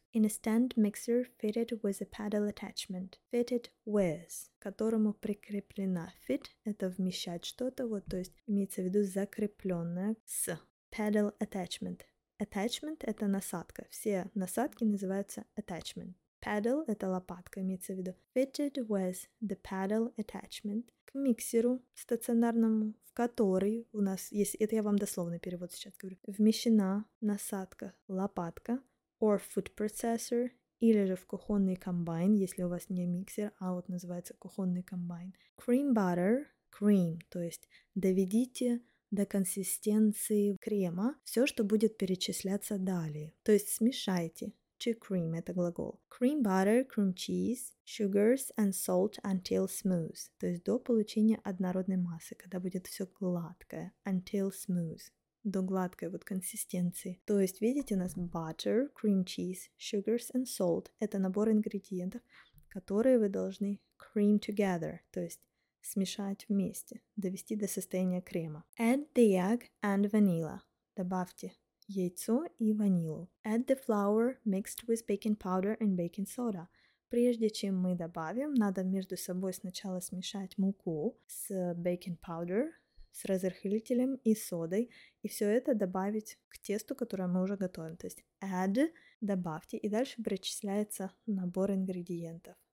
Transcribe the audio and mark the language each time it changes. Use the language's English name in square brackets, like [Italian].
[English] In a stand mixer fitted with a paddle attachment. Fitted with, [Russian] к которому прикреплена. Fit – это вмещать что-то, вот, то есть имеется в виду закрепленное с. [English] Paddle attachment. [Russian] Attachment – это насадка. Все насадки называются attachment. Paddle – это лопатка, имеется в виду. [English] Fitted with the paddle attachment [Russian] – к миксеру стационарному, в который у нас есть, это я вам дословный перевод сейчас говорю, вмещена насадка, лопатка, [English] or food processor, [Russian] или же в кухонный комбайн, если у вас не миксер, а вот называется кухонный комбайн. [English] Cream butter, cream, [Russian] то есть доведите до консистенции крема все, что будет перечисляться далее. То есть смешайте. [English] To cream [Russian] – это глагол. [English] Cream butter, cream cheese, sugars and salt until smooth. [Russian] То есть до получения однородной массы, когда будет все гладкое. [English] Until smooth. [Russian] До гладкой вот консистенции. То есть, видите, у нас [English] butter, cream cheese, sugars and salt [Russian] – это набор ингредиентов, которые вы должны [English] cream together, [Russian] то есть смешать вместе, довести до состояния крема. [English] Add the egg and vanilla. [Russian] Добавьте яйцо и ванилу. [English] Add the flour mixed with baking powder and baking soda. [Russian] Прежде чем мы добавим, надо между собой сначала смешать муку с baking powder, с разрыхлителем и содой, и все это добавить к тесту, которое мы уже готовим. То есть add, добавьте, и дальше перечисляется набор ингредиентов.